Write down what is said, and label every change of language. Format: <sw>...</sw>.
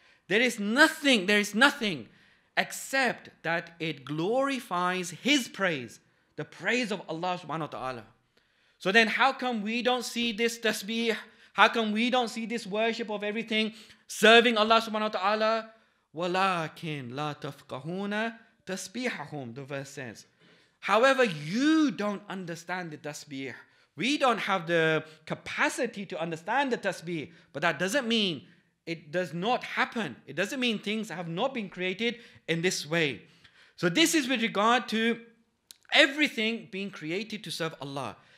<en>There is nothing except that it glorifies his praise, the praise of Allah subhanahu wa ta'ala. So then how come we don't see this tasbih? How come we don't see this worship of everything serving Allah subhanahu wa ta'ala?</en> <ar>وَلَكِنْ لَا تَفْقَهُونَ تَسْبِيحَهُمْ,</ar> <en>the verse says. However, you don't understand the tasbih. We don't have the capacity to understand the tasbih, but that doesn't mean it does not happen. It doesn't mean things have not been created in this way. So this is with regard to everything being created to serve Allah.</en>